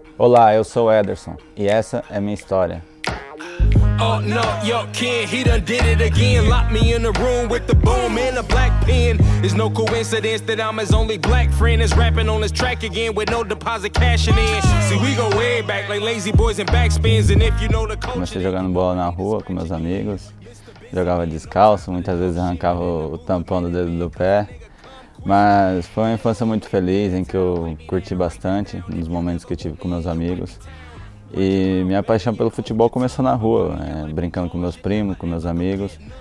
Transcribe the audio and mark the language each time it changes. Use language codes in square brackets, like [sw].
[pt] Olá, eu sou o Ederson e essa é minha história. [en] Oh no, yo kid, he done did it again. Locked me in a room with the boom and a black pen. It's no coincidence that I'm his only black friend. Is rapping on his track again with no deposit cashing in. See, we go way back like lazy boys and backspins. And if you know the culture. [pt] Comecei jogando bola na rua com meus amigos. Jogava descalço, muitas vezes arrancava o tampão do dedo do pé. Mas foi uma infância muito feliz, em que eu curti bastante nos momentos que eu tive com meus amigos. E minha paixão pelo futebol começou na rua, brincando com meus primos, com meus amigos.